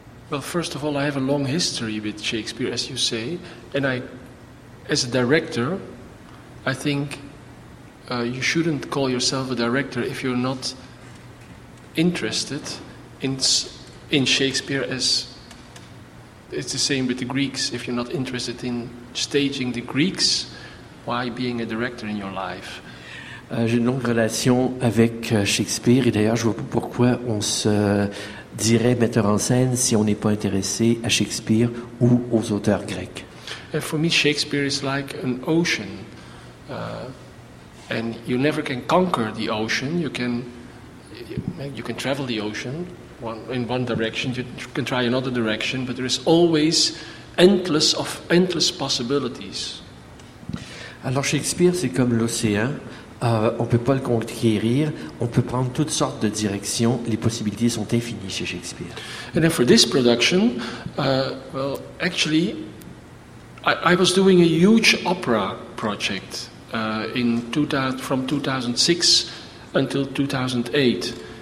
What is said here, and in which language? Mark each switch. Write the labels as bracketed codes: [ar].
[en] Well, first of all, I have a long history with Shakespeare, as you say, and I, as a director, I think you shouldn't call yourself a director if you're not interested in Shakespeare. As it's the same with the Greeks, if you're not interested in staging the Greeks, why being a director in your life? [fr] J'ai une longue relation avec Shakespeare et d'ailleurs, je ne vois pas pourquoi on se dirait metteur en scène si on n'est pas intéressé à Shakespeare ou aux auteurs grecs. [en] And for me, Shakespeare is like an ocean. And you never can conquer the ocean. You can travel the ocean in one direction. You can try another direction, but there is always endless possibilities. [fr] Alors, Shakespeare, c'est comme l'océan. On ne peut pas le conquérir, on peut prendre toutes sortes de directions, les possibilités sont infinies chez Shakespeare. [en] And then for this production, well, actually, I was doing a huge opera project from 2006 until 2008.